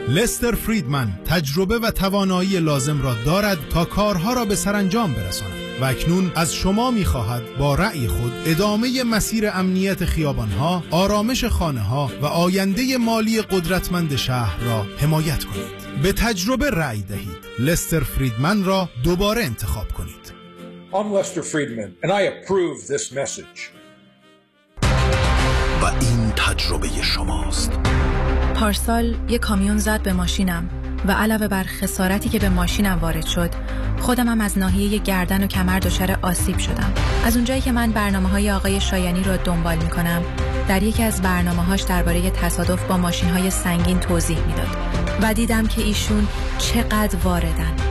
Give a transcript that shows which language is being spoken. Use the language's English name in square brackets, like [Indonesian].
[Persian] لستر فریدمن تجربه و توانایی لازم را دارد تا کارها را به سرانجام برساند و اکنون از شما می خواهد با رأی خود ادامه مسیر امنیت خیابانها، آرامش خانه ها و آینده مالی قدرتمند شهر را حمایت کنید. به تجربه رأی دهید. لستر فریدمن را دوباره انتخاب کنید. [English] I'm Lester Friedman and I approve this message. [Persian] و این تجربه شماست. پارسال یه کامیون زد به ماشینم و علاوه بر خسارتی که به ماشینم وارد شد، خودم هم از ناحیه گردن و کمر دچار آسیب شدم. از اونجایی که من برنامه‌های آقای شایانی رو دنبال می‌کنم، در یکی از برنامه‌هاش درباره تصادف با ماشین‌های سنگین توضیح می‌داد و دیدم که ایشون چقدر واردن.